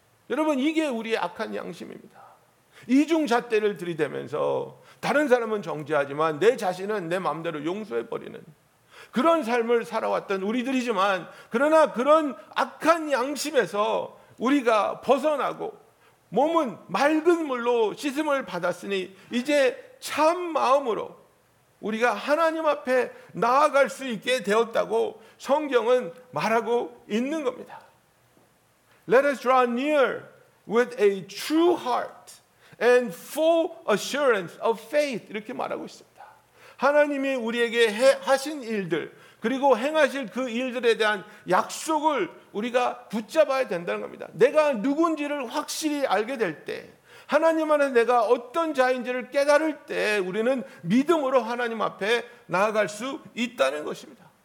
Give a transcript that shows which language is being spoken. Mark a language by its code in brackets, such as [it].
[ko] 여러분 이게 우리의 악한 양심입니다. 이중잣대를 들이대면서 다른 사람은 정죄하지만 내 자신은 내 마음대로 용서해버리는 그런 삶을 살아왔던 우리들이지만 그러나 그런 악한 양심에서 우리가 벗어나고 몸은 맑은 물로 씻음을 받았으니 이제 참 마음으로 우리가 하나님 앞에 나아갈 수 있게 되었다고 성경은 말하고 있는 겁니다. [en] Let us draw near with a true heart and full assurance of faith. [ko] 이렇게 말하고 있습니다. 하나님이 우리에게 하신 일들 그리고 행하실 그 일들에 대한 약속을 우리가 붙잡아야 된다는 겁니다. 내가 누군지를 확실히 알게 될 때 하나님 안에 내가 어떤 자인지를 깨달을 때 우리는 믿음으로 하나님 앞에 나아갈 수 있다는 것입니다.